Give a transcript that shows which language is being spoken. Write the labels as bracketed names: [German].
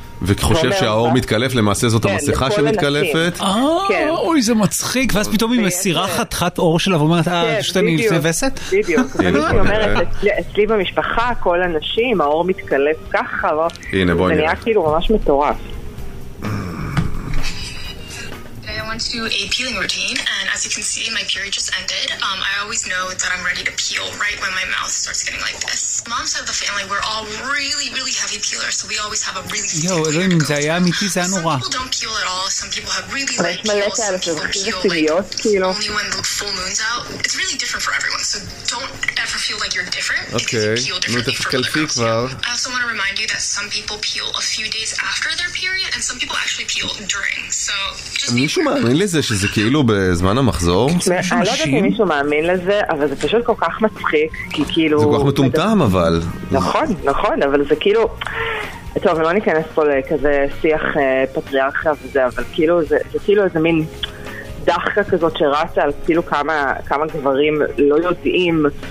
[Hebrew] וחושב שהאור מתקלף, למעשה זאת המסכה שמתקלפת. אוי, זה מצחיק. ואז פתאום היא מסירה חתיכת אור שלה ואומרת, פשוט אני לפני וסת. בדיוק. היא אומרת, אצלי במשפחה, כל הנשים, האור מתקלף ככה. הנה, בואי נראה. זה נהיה כאילו ממש מטורף. [English] To a peeling routine, and as you can see, my period just ended. I always know that I'm ready to peel right when my mouth starts getting like this. Mom's side of the family, we're all really, really heavy peelers, so we always have a really stiff hair to go through. Some people don't peel at all, some people have really light peels, some people peel like only when the full moon's out. It's really different for everyone, so don't ever feel like you're different because you peel differently for other girls. I also want to remind you that some people peel a few days after their period, and some people actually peel during, so just be careful. [Hebrew] מאמין לזה שזה כאילו בזמן המחזור? אני לא יודעת אם מישהו מאמין לזה, אבל זה פשוט כל כך מצחיק, כי כאילו... זה כל כך מטומטם, אבל... נכון, נכון, אבל זה כאילו... טוב, לא ניכנס פה לכזה שיח פטריארכיה וזה, אבל כאילו זה כאילו איזה מין דחקה כזאת שרצה על כאילו כמה גברים לא יודעים